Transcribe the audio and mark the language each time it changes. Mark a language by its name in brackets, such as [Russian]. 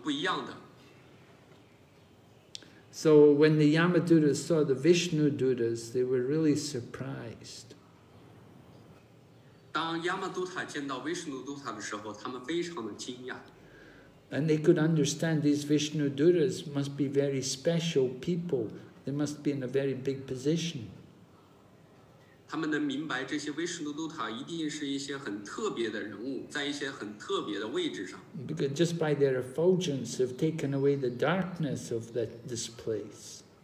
[Chinese] 圣帕帕德在这里提到，就像我们遇到一些外国人，我们就从他们的行为举止、外貌、身体的一些特征，就知道他们是跟我们不一样的。So [English] when the Yamadutas saw the Vishnu Dutas, they were really surprised. [Chinese] 当亚玛杜塔见到维什努杜塔的时候，他们非常的惊讶。 [English] And they could understand these Vishnu Duras must be very special people. They must be in a very big position. Because just by their effulgence, they've taken away the darkness of this place.